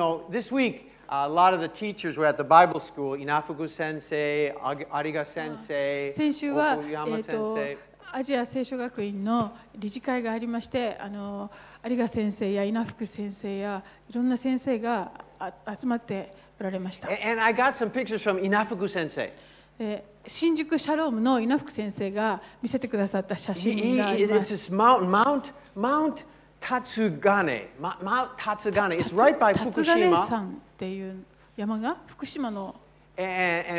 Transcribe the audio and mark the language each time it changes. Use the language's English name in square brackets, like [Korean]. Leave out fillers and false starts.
[English] This week, a lot of the teachers were at the Bible school. Inafugu sensei, Ariga sensei, Okuyama sensei. [Japanese] アジア聖書学院の理事会がありまして、有賀先生や稲福先生やいろんな先生が集まっておられました。 [English] And I got some pictures from Inafuku sensei. [Japanese] 新宿シャロームの稲福先生が見せてくださった写真があります。 [English] It's this Mount Tatsugane. Mount Tatsugane. It's right by Fukushima. [Japanese] Tatsugane san っていう山が福島の近くにある。